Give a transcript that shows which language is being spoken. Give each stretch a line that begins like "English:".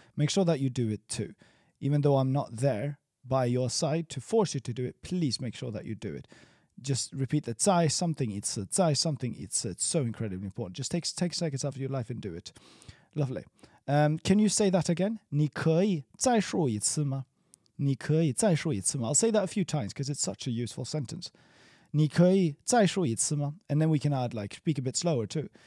English: Make sure that you do it too. Even though I'm not there by your side to force you to do it, please make sure that you do it. Just repeat that.
Chinese: 再something 一次。再something 一次。
English: It's so incredibly important. Just take seconds out of your life and do it. Lovely. Can you say that again?
Chinese: 你可以再说一次吗? 你可以再说一次吗?
English: I'll say that a few times because it's such a useful sentence.
Chinese: 你可以再说一次吗?
English: And then we can add, like, speak a bit slower too.